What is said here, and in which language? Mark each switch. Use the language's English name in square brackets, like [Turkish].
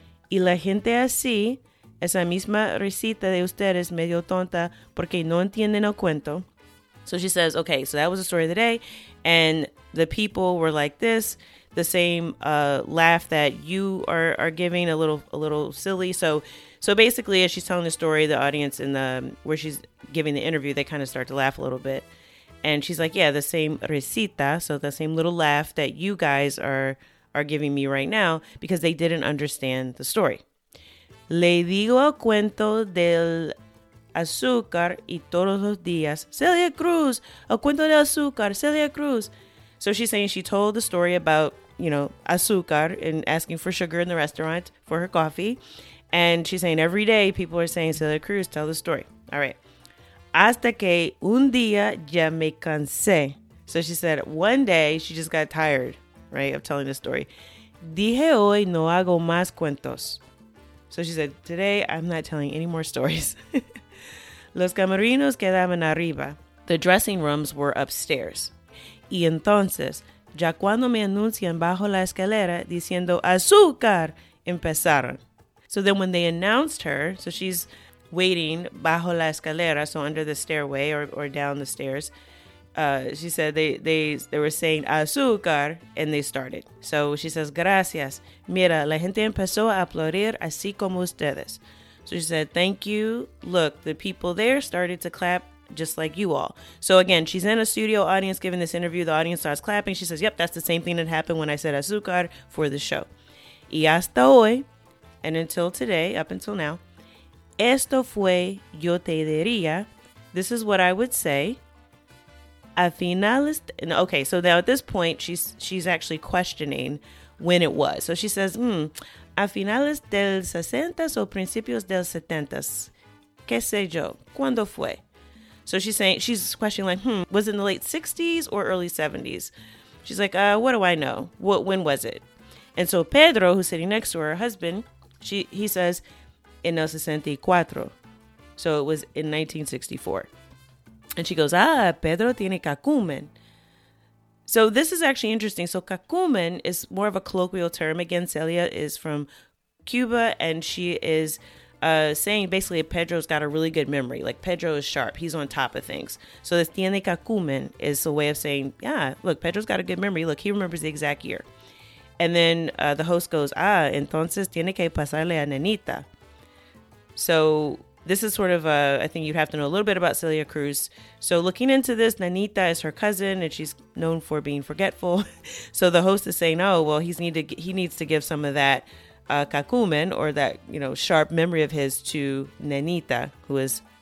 [Spanish] Y la gente así, esa misma risita de ustedes medio tonta porque no entienden el cuento. [English] So she says, okay, so that was the story of the day. And the people were like this, the same laugh that you are giving, a little silly. So basically, as she's telling the story, the audience in the where she's giving the interview, they kind of start to laugh a little bit. And she's like, yeah, the same risita, so the same little laugh that you guys are giving me right now, because they didn't understand the story. [Spanish] Le digo el cuento del azúcar y todos los días. Celia Cruz, el cuento del azúcar, Celia Cruz. [English] So she's saying she told the story about, you know, azúcar and asking for sugar in the restaurant for her coffee. And she's saying every day people are saying, Celia Cruz, tell the story. All right. [Spanish] Hasta que un día ya me cansé. [English] So she said one day she just got tired, right, of telling the story. [Spanish] Dije hoy no hago más cuentos. [English] So she said, today I'm not telling any more stories. [Spanish] Los camerinos quedaban arriba. [English] The dressing rooms were upstairs. [Spanish] Y entonces, ya cuando me anuncian bajo la escalera diciendo azúcar, empezaron. [English] So then when they announced her, so she's waiting [Spanish] bajo la escalera, [English] so under the stairway or down the stairs, she said they were saying azúcar, and they started. So she says, gracias. [Spanish] Mira, la gente empezó a aplaudir así como ustedes. [English] So she said, thank you. Look, the people there started to clap just like you all. So again, she's in a studio audience giving this interview. The audience starts clapping. She says, yep, that's the same thing that happened when I said azúcar for the show. [Spanish] Y hasta hoy, [English] and until today, up until now, [Spanish] esto fue yo te diría. [English] This is what I would say. A finalist. Okay, so now at this point, she's actually questioning when it was. So she says, [Spanish] a finales del 60s o principios del 70s. ¿Qué sé yo? ¿Cuándo fue? [English] So she's saying, she's questioning like, was it in the late 60s or early 70s? She's like, what do I know? When was it? And so Pedro, who's sitting next to her husband, he says, [Spanish] en el 64. [English] So it was in 1964. And she goes, [Spanish] Pedro tiene cacumen. [English] So this is actually interesting. So cacumen is more of a colloquial term. Again, Celia is from Cuba, and she is saying basically Pedro's got a really good memory. Like Pedro is sharp. He's on top of things. So this [Spanish] tiene cacumen [English] is a way of saying, yeah, look, Pedro's got a good memory. Look, he remembers the exact year. And then the host goes, [Spanish] entonces tiene que pasarle a Nenita. [English] So this is sort of I think you'd have to know a little bit about Celia Cruz. So looking into this, Nenita is her cousin, and she's known for being forgetful. So the host is saying, oh, well, he needs to give some of that cacumen, or that, you know, sharp memory of his, to Nenita, who is